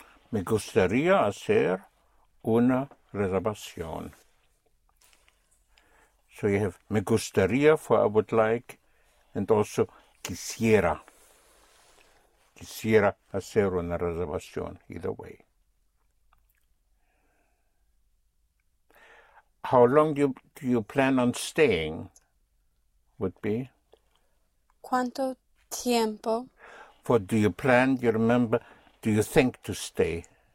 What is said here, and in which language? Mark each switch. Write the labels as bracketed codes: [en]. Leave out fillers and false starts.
[es] Me gustaría hacer una reservación. [en] So you have [es] me gustaría [en] for I would like, and also quisiera. [es] Quisiera hacer una reservación, [en] either way. How long do you plan on staying? Would be? [es] ¿Cuánto tiempo? [en] For do you plan, do you remember, do you think to stay?